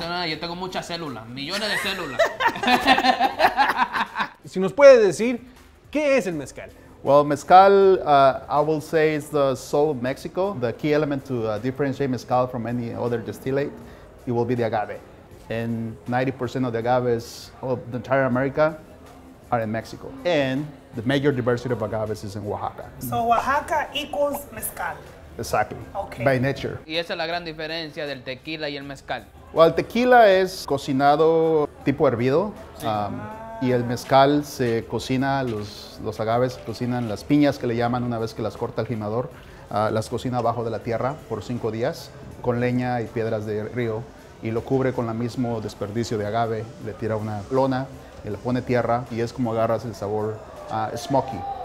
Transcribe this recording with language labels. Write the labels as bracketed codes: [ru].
[es] Eso no, yo tengo muchas células, millones de células. Si nos puede decir, ¿qué es el mezcal? [en] Well, mezcal, I will say, is the soul of Mexico. The key element to differentiate mezcal from any other distillate, it will be the agave. And 90% of the agaves of the entire America are in Mexico. And the major diversity of agaves is in Oaxaca. So Oaxaca equals mezcal. Exactly. Okay. By nature. [es] Y esa es la gran diferencia del tequila y el mezcal. [en] Well, [es] tequila es cocinado tipo hervido. Sí. Y el mezcal se cocina, los agaves cocinan las piñas que le llaman una vez que las corta el quemador, las cocina abajo de la tierra por 5 días con leña y piedras de río y lo cubre con el mismo desperdicio de agave, le tira una lona y le pone tierra y es como agarras el sabor smoky.